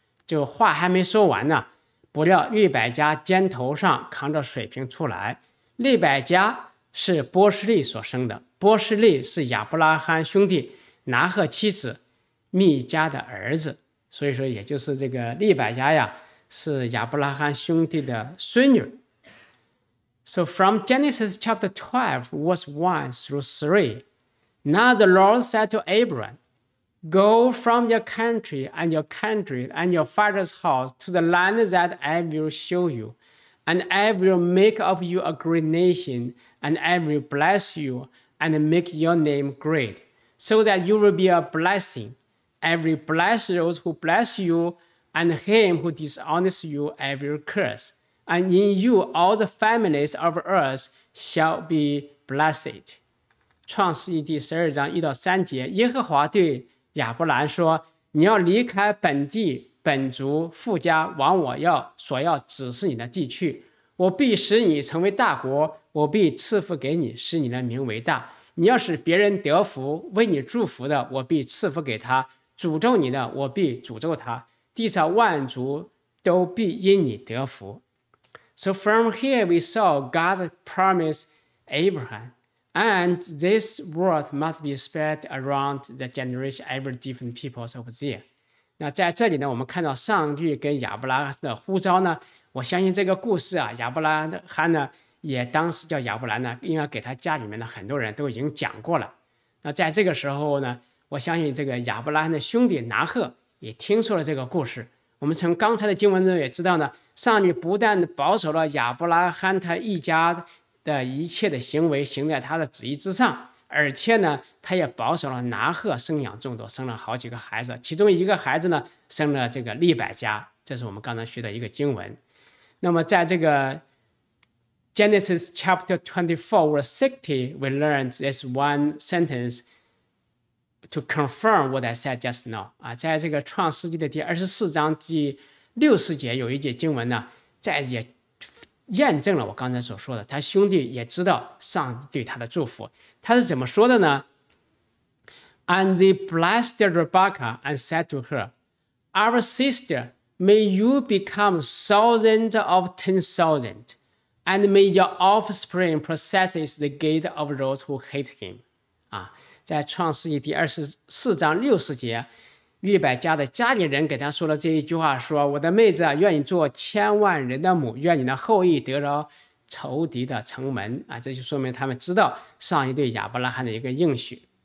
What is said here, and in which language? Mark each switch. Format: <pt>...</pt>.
<zh>就话还没说完呢，不料利百加肩头上扛着水瓶出来。利百加是波士利所生的，波士利是亚伯拉罕兄弟拿赫妻子密加的儿子，所以说也就是这个利百加呀，是亚伯拉罕兄弟的孙女。</zh> <en>So from Genesis chapter 12, verse 1 through 3, Now the Lord said to Abram, Go from your country and your kindred and your father's house to the land that I will show you, and I will make of you a great nation, and I will bless you and make your name great, so that you will be a blessing. I will bless those who bless you, and him who dishonors you I will curse. And in you all the families of earth shall be blessed.</en> <zh>创世纪第十二章一到三节，耶和华对亚伯兰说，你要离开本地本族父家，往我要所要指示你的地去，我必使你成为大国，我必赐福给你，使你的名为大。你要使别人得福，为你祝福的我必赐福给他，诅咒你的我必诅咒他，地上万族都必因你得福。</zh> <en>So from here we saw God promised Abraham, and this word must be spread around the generation, every different peoples of there.</en> <zh>那在这里呢，我们看到上帝跟亚伯拉罕的呼召呢，我相信这个故事啊，亚伯拉罕呢也当时叫亚伯兰呢，应该给他家里面的很多人都已经讲过了。那在这个时候呢，我相信这个亚伯拉罕的兄弟拿赫也听说了这个故事。我们从刚才的经文中也知道呢，上帝不但保守了亚伯拉罕他一家的一切的行为行在他的旨意之上，而且呢他也保守了拿赫生养众多，生了好几个孩子，其中一个孩子呢生了这个利百加，这是我们刚才学的一个经文。那么在这个</zh> <en>Genesis chapter 24 verse 60, we learned this one sentence to confirm what I said just now.</en> <zh>在这个创世纪的第24章第60节有一节经文呢，在也验证了我刚才所说的，他兄弟也知道上帝对他的祝福。他是怎么说的呢？</zh> <en>And they blessed Rebecca and said to her, Our sister, may you become thousands of 10,000. And may your offspring possess the gate of those who hate him.</en> <zh>在创世纪第24章60节，利百加的家里人给他说了这一句话，说我的妹子，愿你做千万人的母，愿你的后裔得着仇敌的城门。这就说明他们知道上帝对亚伯拉罕的一个应许。</zh>